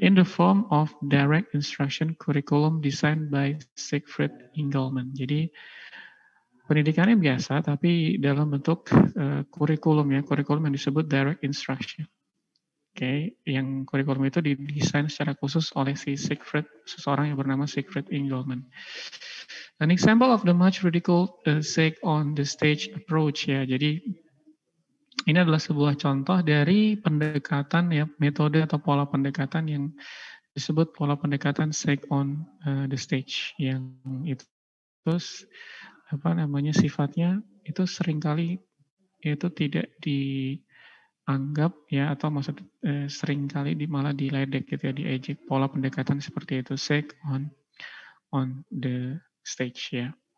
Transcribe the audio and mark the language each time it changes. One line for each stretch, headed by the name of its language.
English: In the form of direct instruction curriculum designed by Siegfried Engelmann.
Indonesian: Jadi, pendidikannya biasa, tapi dalam bentuk kurikulum ya. Kurikulum yang disebut direct instruction. Oke, okay. Yang kurikulum itu didesain secara khusus oleh si Siegfried, seseorang yang bernama Siegfried Engelmann.
English: An example of the much ridiculed sake on the stage approach ya.
Indonesian: Jadi, ini adalah sebuah contoh dari pendekatan ya, metode atau pola pendekatan yang disebut pola pendekatan stake on the stage yang itu terus apa namanya sifatnya itu seringkali itu tidak dianggap ya atau maksud seringkali malah diledek gitu ya di ejek pola pendekatan seperti itu stake on the stage ya.